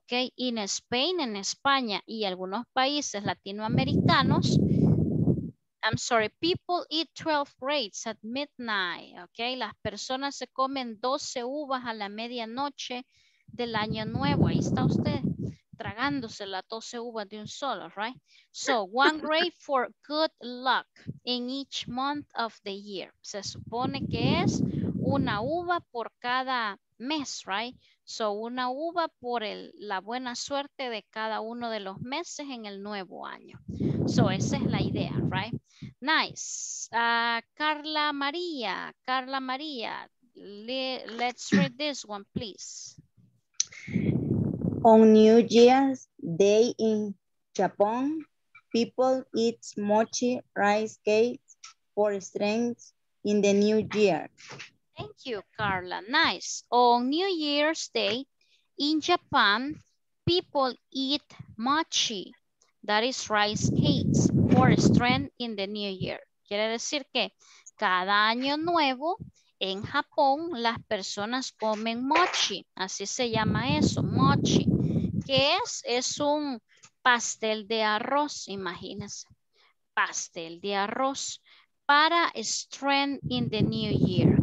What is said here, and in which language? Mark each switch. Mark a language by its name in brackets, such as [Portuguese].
[English] Okay, in Spain, [Spanish] en España y algunos países latinoamericanos. [English] I'm sorry, people eat 12 grapes at midnight, ok? [Spanish] Las personas se comen 12 uvas a la medianoche del año nuevo. Ahí está usted tragándose las 12 uvas de un solo, right? [English] So, one grape for good luck in each month of the year. [Spanish] Se supone que es una uva por cada mes, right? So, una uva por el, la buena suerte de cada uno de los meses en el nuevo año. So, esa es la idea, right? Nice. Carla María. [English] Carla María. Let's read this one, please. On New Year's Day in Japan, people eat mochi rice cake for strength in the new year. Thank you, Carla. Nice. On New Year's Day in Japan, people eat mochi. That is rice cakes for strength in the new year. [Spanish] Quiere decir que cada año nuevo en Japón las personas comen mochi. Así se llama eso, mochi. ¿Qué es? Es un pastel de arroz, imagínense. Pastel de arroz para [English] strength in the new year.